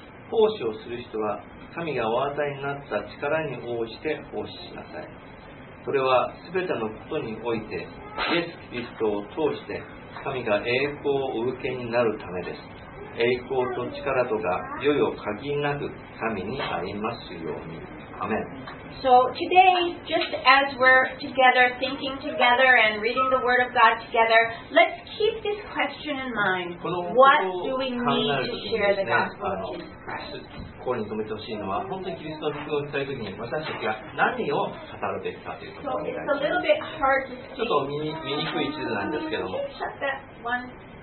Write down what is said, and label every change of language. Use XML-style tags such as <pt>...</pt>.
<ja>奉仕をする人は、神がお与えになった力に応じて奉仕しなさい。それはすべてのことにおいて、イエス・キリストを通して神が栄光をお受けになるためです。栄光と力とが、いよいよ限りなく神にありますように。アメン。</ja> <en>So today, just as we're together, thinking together and reading the Word of God together, let's keep this question in mind. What do we need to share the gospel with Jesus Christ?</en> <ja>ここに留めてほしいのは本当にキリストの福音を伝えるときに私たちが何を語るべきかということです。ちょっと見にくい地図なんですけども。</ja>